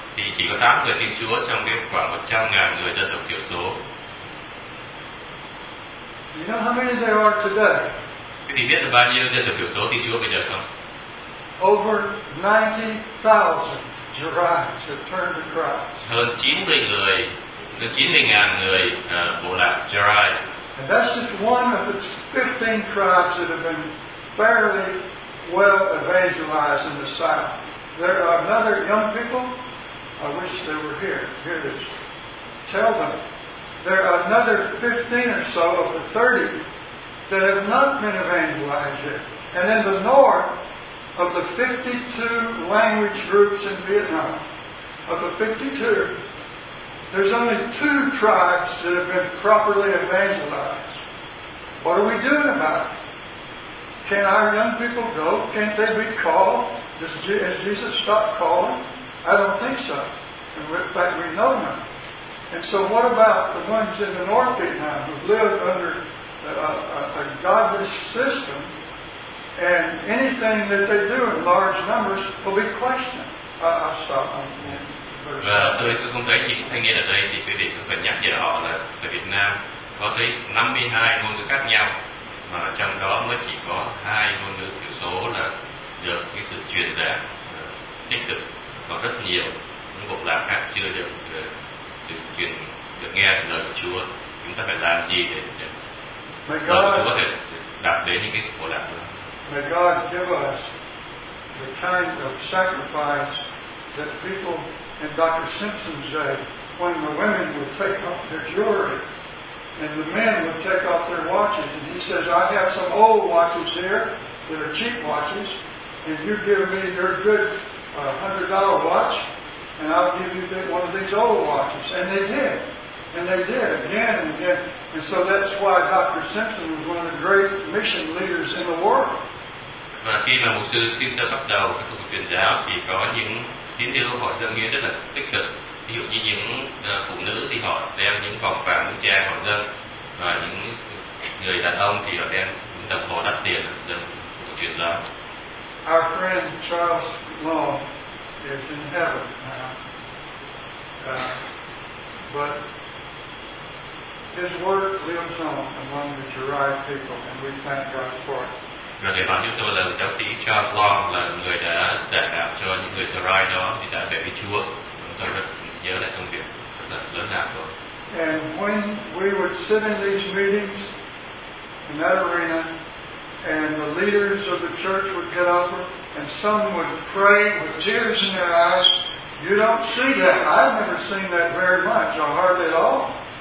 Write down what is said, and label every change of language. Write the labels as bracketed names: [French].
[Vietnamese] Thì chỉ có 8 người tin Chúa trong khoảng 100.000 người dân tộc thiểu số. [English] You know how many there are today? [Vietnamese] Thì biết là bao nhiêu dân tộc thiểu số tin Chúa bây giờ không? [English] Over 90,000 Jirais have turned to Christ. [Vietnamese] Hơn 90 người, 90,000 người bộ lạc Jirai. [English] And that's just one of the 15 tribes that have been fairly well evangelized in the South. There are another young people. I wish they were here. Hear this. Tell them. There are another 15 or so of the 30 that have not been evangelized yet. And in the North, of the 52 language groups in Vietnam, of the 52, there's only two tribes that have been properly evangelized. What are we doing about it? Can our young people go? Can't they be called? Has Jesus stopped calling? I don't think so. In fact, we know none. And so what about the ones in the North Vietnam who live under a godless system, and anything that they do in large numbers will be questioned? I'll stop on the end. [Vietnamese] Và tôi sẽ không thấy những thanh niên ở đây thì quý vị cũng phải nhắc nhở họ là tại Việt Nam có tới 52 ngôn ngữ khác nhau mà trong đó mới chỉ có 2 ngôn ngữ thiểu số là được cái sự truyền đạt tích cực, còn rất nhiều những bộ lạc khác chưa được truyền được nghe lời của Chúa. Chúng ta phải làm gì để lời của Chúa có thể đạt đến những cái bộ lạc đó? [English] May God give us the kind of sacrifice that people in Dr. Simpson's day, when the women would take off their jewelry and the men would take off their watches, and he says, I have some old watches here that are cheap watches, and you give me your good $100 watch and I'll give you one of these old watches. And they did. And they did again and again. And so that's why Dr. Simpson was one of the great mission leaders in the world. [Vietnamese] Và khi mà mục sư Simpson bắt đầu cái cuộc truyền giáo thì có những tín hữu họ dâng hiến rất là tích cực, ví dụ như những phụ nữ thì họ đem những vòng vàng nữ trang họ dâng, và những người đàn ông thì họ đem những đồng hồ đắt tiền dâng chuyển ra. [English] Our friend Charles Law is in heaven now, but his work lives on among the Jirai people, and we thank God for it. [Vietnamese] Và để bảo chúng tôi là giáo sĩ Charles Long là người đã giảng đạo cho những người Sarai đó thì đã về với Chúa. Chúng tôi rất nhớ lại công việc rất là lớn lao của. [English] And when we would sit in these meetings in that arena, and the leaders of the church would get up and some would pray with tears in their eyes. You don't see that. I've never seen that very much or hardly at all.